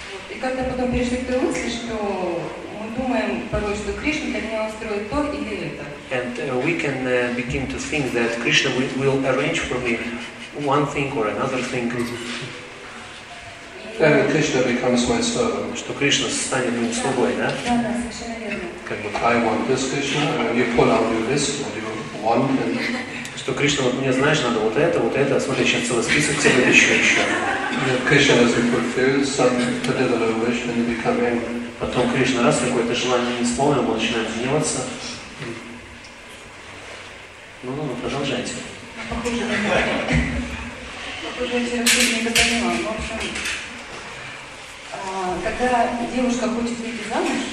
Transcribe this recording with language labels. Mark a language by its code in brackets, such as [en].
[ru] И когда потом пришли к той мысли, что мы думаем порой, что Кришна для меня устроит то или это. [en] And we can begin to think that Krishna will arrange for me one thing or another thing. And Krishna becomes my servant. [ru] Что Кришна станет моим слугой, да? Да, совершенно верно. Как бы [en] I want this Krishna, and you pull out your list, what you want. And... [ru] что Кришна, вот мне, знаешь, надо вот это, смотри, сейчас целый список, тебе еще. [en] Кришна, as we fulfill some particular wish, and you become angry. [ru] Потом Кришна, раз какое-то желание не исполнил, он начинает гневаться. Ну, продолжайте. Похоже, я не допонимала, но в общем, когда девушка хочет выйти замуж,